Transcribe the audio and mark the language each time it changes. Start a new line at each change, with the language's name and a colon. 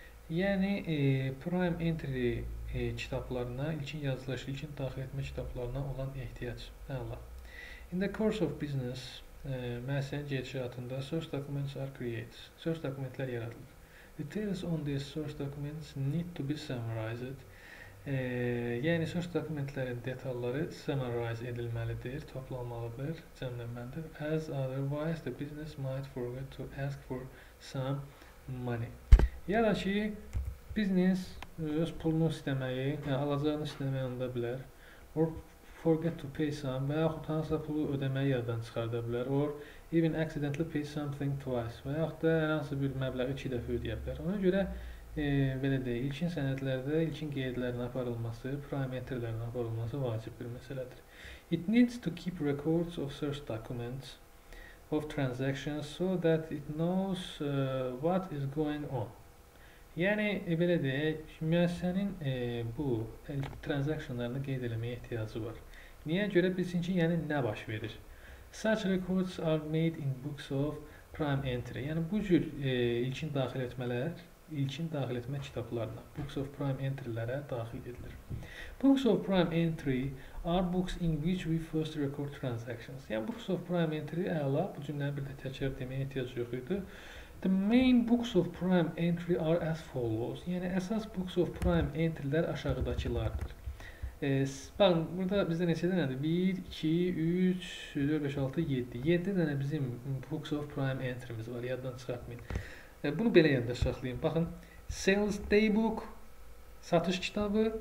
Azerbaijani: Yəni, prime entry kitablarına, ilkin yazılış, ilkin daxil etmə kitablarına olan ehtiyac. Allah.
English: In the course of business,
Azerbaijani: məhsənin gedişatında
English: source documents are created.
Azerbaijani: Source dokumentlər yaradılır.
English: Details on these source documents need to be summarized.
Azerbaijani: Yəni, source dokumentlərin detalları summarize edilməlidir, toplanmalıdır, cəmlənməlidir.
English: As otherwise, the business might forget to ask for some money.
Azerbaijani: Ya da ki, business öz pulunu istəməyi, alacağını istəməyi anda bilər.
English: Or forget to pay some
Azerbaijani: və yaxud hansısa pulu ödəməyi yaddan çıxarda bilər.
English: Or even accidentally pay something twice
Azerbaijani: və yaxud da hər hansı bir məbləği iki dəfə ödəyə bilər. Ona görə, belə deyək, ilkin sənədlərdə ilkin qeydlərin aparılması, prime entry-lərin aparılması vacib bir məsələdir.
English: It needs to keep records of search documents of transactions so that it knows what is going on.
Azerbaijani: Yəni, belə deyək, müəssisənin bu transaksiyonlarını qeyd eləməyə ehtiyacı var. Niyə görə bilsin ki, yəni nə baş verir?
English: Such records are made in books of prime entry.
Azerbaijani: Yəni, bu cür ilkin daxil etmələr, ilkin daxil etmə kitablarına, books of prime entry-lərə daxil edilir.
English: Books of prime entry are books in which we first record transactions.
Azerbaijani: Yəni, books of prime entry, əla, bu cümləni bir də təkrar deməyə ehtiyacı yox idi.
English: The main books of prime entry are as follows.
Azerbaijani: Yəni, əsas books of prime entry-lər aşağıdakılardır. Bakın, burada bizdə neçə dənədir? 1, 2, 3, 4, 5, 6, 7. 7 dənə bizim books of prime entry-miz var. Yaddan çıxartmayın. Bunu belə yəndə şaxlayayım. Baxın, sales daybook, satış kitabı.